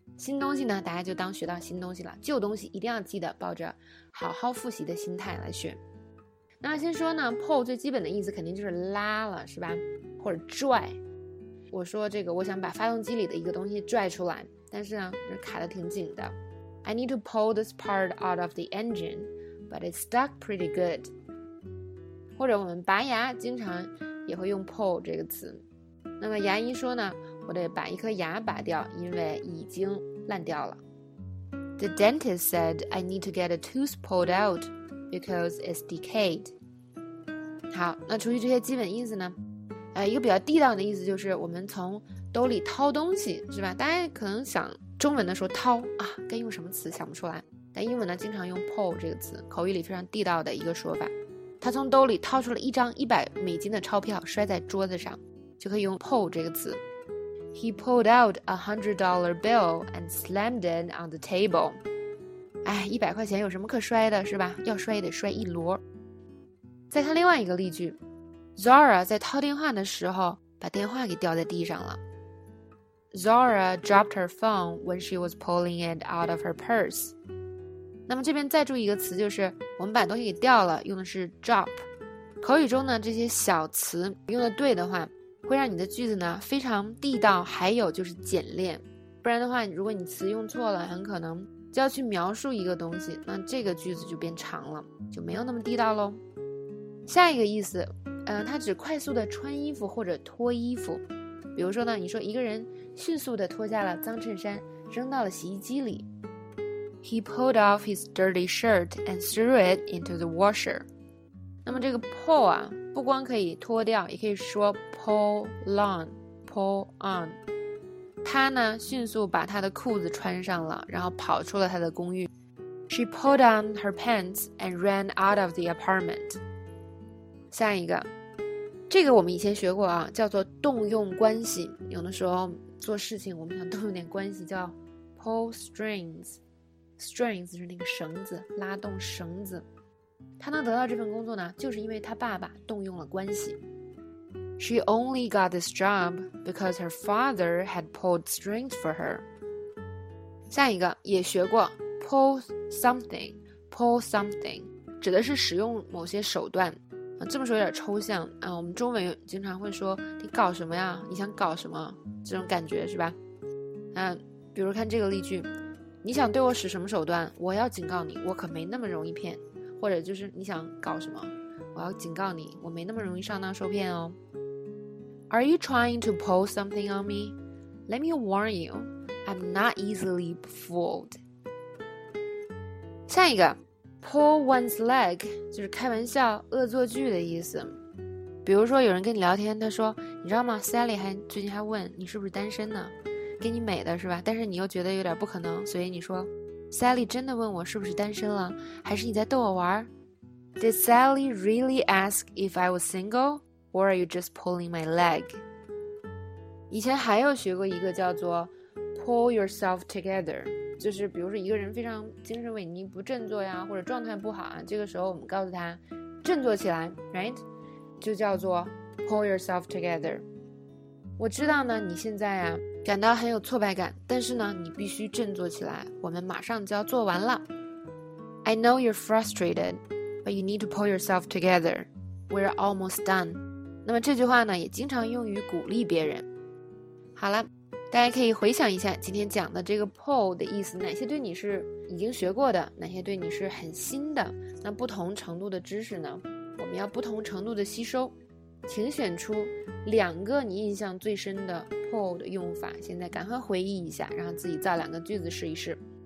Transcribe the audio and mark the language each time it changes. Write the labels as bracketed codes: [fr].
[zh] 新东西呢，大家就当学到新东西了，旧东西一定要记得抱着好好复习的心态来学。那先说呢 pull 最基本的意思肯定就是拉了，是吧，或者拽。我说这个我想把发动机里的一个东西拽出来，但是呢这卡得挺紧的。 [en] I need to pull this part out of the engine, but it's stuck pretty good。 [zh] 或者我们拔牙经常也会用 pull 这个词，那么牙医说呢，我得把一颗牙拔掉，因为已经烂掉了。 [en] The dentist said I need to get a tooth pulled out because it's decayed。 [zh] 好，那除去这些基本意思呢，一个比较地道的意思就是我们从兜里掏东西，是吧，大家可能想中文的时候掏啊，该用什么词想不出来，但英文呢经常用 pull 这个词，口语里非常地道的一个说法。他从兜里掏出了一张$100的钞票，摔在桌子上，就可以用 pull 这个词。 [en] He pulled out $100 and slammed it on the table. [zh] 哎，$100有什么可摔的，是吧？要摔也得摔一摞。再看另外一个例句， Zara 在掏电话的时候把电话给掉在地上了。 [en] Zara dropped her phone when she was pulling it out of her purse. [zh] 那么这边再注意一个词，就是我们把东西给掉了，用的是 drop。口语中呢，这些小词用的对的话，会让你的句子呢非常地道，还有就是简练，不然的话如果你词用错了，很可能就要去描述一个东西，那这个句子就变长了，就没有那么地道咯。下一个意思，它指快速的穿衣服或者脱衣服，比如说呢，你说一个人迅速的脱下了脏衬衫扔到了洗衣机里。 [en] He pulled off his dirty shirt and threw it into the washer。 [zh] 那么这个 pull 啊，不光可以脱掉，也可以说 pull on, pull on。他呢迅速把他的裤子穿上了，然后跑出了他的公寓。 [en] She pulled on her pants and ran out of the apartment。 [zh] 下一个，这个我们以前学过啊，叫做动用关系。有的时候做事情我们想动用点关系，叫 pull strings。 strings 是那个绳子，拉动绳子。他能得到这份工作呢，就是因为他爸爸动用了关系。 [en] She only got this job because her father had pulled strings for her。 [zh] 下一个也学过 pull something 指的是使用某些手段，这么说有点抽象啊，我们中文经常会说你搞什么呀，你想搞什么，这种感觉是吧。比如看这个例句，你想对我使什么手段，我要警告你，我可没那么容易骗。或者就是你想搞什么，我要警告你，我没那么容易上当受骗哦。 [en] Are you trying to pull something on me? Let me warn you, I'm not easily fooled。 [zh] 下一个 pull one's leg 就是开玩笑恶作剧的意思，比如说有人跟你聊天，他说你知道吗， Sally 还最近还问你是不是单身呢，给你美的是吧，但是你又觉得有点不可能，所以你说Sally 真的问我是不是单身了，还是你在逗我玩？ [en] Did Sally really ask if I was single, or are you just pulling my leg? [zh] 以前还有学过一个叫做 pull yourself together， 就是比如说一个人非常精神萎靡不振作呀，或者状态不好啊，这个时候我们告诉他振作起来， right? 就叫做 pull yourself together。我知道呢你现在啊感到很有挫败感，但是呢你必须振作起来，我们马上就要做完了。 [en] I know you're frustrated, but you need to pull yourself together. We're almost done. [zh] 那么这句话呢也经常用于鼓励别人。好了，大家可以回想一下今天讲的这个 Paul 的意思，哪些对你是已经学过的，哪些对你是很新的，那不同程度的知识呢，我们要不同程度的吸收，请选出两个你印象最深的 Paul 的用法，现在赶快回忆一下，然后自己造两个句子试一试。